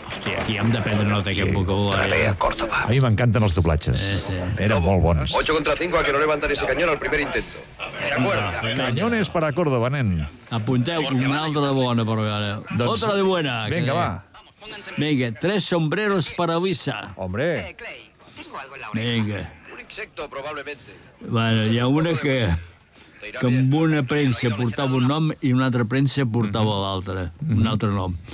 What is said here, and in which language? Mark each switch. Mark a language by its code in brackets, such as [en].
[ca] Hòstia, aquí hem d'aprendre nota, aquest vocabulari. Relea Córdoba. A mi m'encanten els doblatges. Eren molt bons. [es] 8 contra 5, a que no levantan ese cañón al primer intento. Cañones para Córdoba, nen. [ca] Apunteu, una altra de bona, per veure. [es] Otra de buena. [ca] Vinga, va. Vinga, tres sombreros para Luisa. [es] Hombre. [ca] Vinga. [es] Insecto, probablemente. [ca] Bueno, hi ha una que amb una premsa portava un nom i una altra premsa portava l'altra, un altre nom.